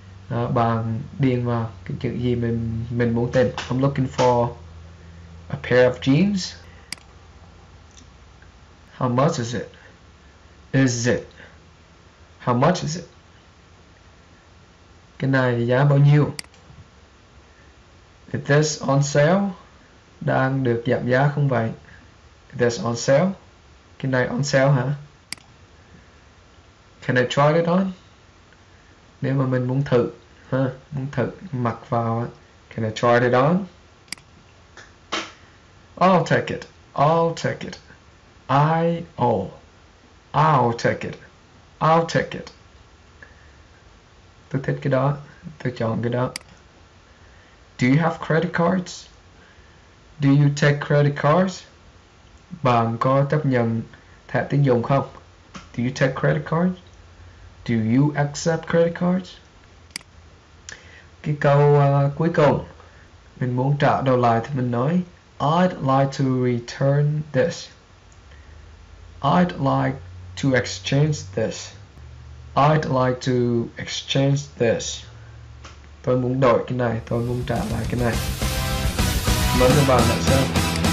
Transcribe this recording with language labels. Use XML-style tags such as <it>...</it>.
<vi>Đó, bạn điền vào cái chữ gì mình muốn tìm.</vi> <en>I'm looking for a pair of jeans. How much is it? Is it? How much is it?</en> <vi>Cái này giá bao nhiêu?</vi> <en>Is this on sale?</en> <vi>Đang được giảm giá không vậy?</vi> <en>Is this on sale?</en> <vi>Cái này on sale hả?</vi> <en>Can I try it on?</en> <vi>Nếu mà mình muốn thử, ha, muốn thử mặc vào,</vi> <en>can I try it on? I'll take it. I'll take it. I'll take it. I'll take it.</en> <vi>Tôi thích cái đó, tôi chọn cái đó.</vi> <en>Do you have credit cards? Do you take credit cards?</en> <vi>Bạn có chấp nhận thẻ tín dụng không?</vi> <en>Do you take credit cards? Do you accept credit cards?</en> <vi>Cái câu cuối cùng, mình muốn trả đồ lại thì mình nói</vi> <en>I'd like to return this. I'd like to exchange this. I'd like to exchange this.</en> <vi>Tôi muốn đổi cái này, tôi muốn trả lại cái này. Mời các bạn đã xem.</vi>